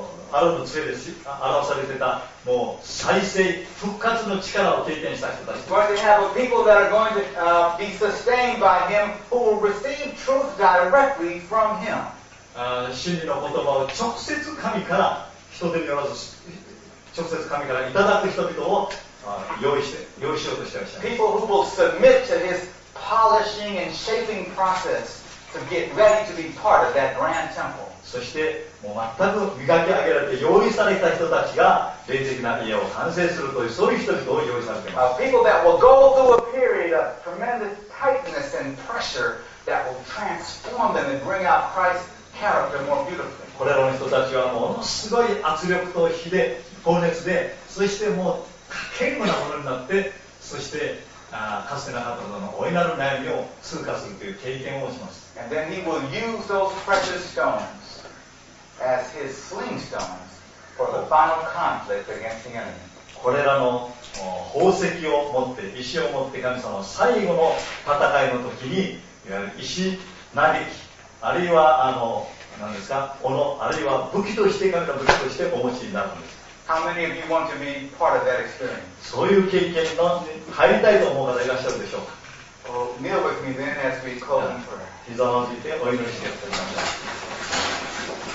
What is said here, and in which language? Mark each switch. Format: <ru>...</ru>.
<ja>アロンの杖で表されてた、もう再生復活の力を経験した人たち。</ja> <en>But they have a people that are going to be sustained by him who will receive truth directly from him.</en> <ja>真理の言葉を直接神から、人手によらず直接神からいただく人々を用意しようとしていらっしゃる。</ja> <en>People who will submit to his polishing and shaping process to get ready to be part of that grand temple.</en> <ja>そしてもう全く磨き上げられて用意された人たちが霊的な家を完成するという、そういう人々を用意されています。</ja> <en>People that will go through a period of tremendous tightness and pressure that will transform them and bring out Christ's character more beautifully.</en> <ja>これらの人たちはものすごい圧力と火で高熱で、そしてもう堅固なものになって、そしてかつてなかったことの老いなる悩みを通過するという経験をします。</ja> <en>And then he will use those precious stones as his sling stones for the final conflict against the enemy.</en> <ja>これらの宝石を持って、石を持って、神様は最後の戦いの時に、いわゆる石嘆き、あるいは何ですか、斧、あるいは武器として、神様の武器としてお持ちになるんです。</ja> <en>How many of you want to be part of that experience?</en> <ja>そういう経験の入りたいと思う方いらっしゃるでしょうか。</ja> <en>Kneel with me then as we call in prayer.</en> <ja>膝をついてお祈りしてください。</ja>